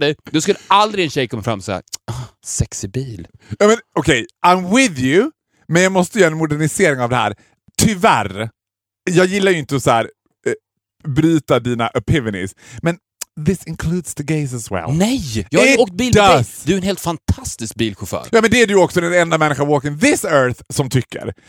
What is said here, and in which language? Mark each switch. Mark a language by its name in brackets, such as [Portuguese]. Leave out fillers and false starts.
[Swedish] Du skulle aldrig en tjej komma fram såhär. Sexy bil. [English] I mean, [Swedish] okej, [English] okay. I'm with you. [Swedish] Men jag måste göra en modernisering av det här. Tyvärr, jag gillar ju inte att så här, bryta dina epiphanies. [English] Men this includes the gays as well. [Swedish] Nej, jag har åkt bil med dig. Du är en helt fantastisk bilchaufför. Ja, men det är du också, den enda människa [English] walking this earth [Swedish] som tycker.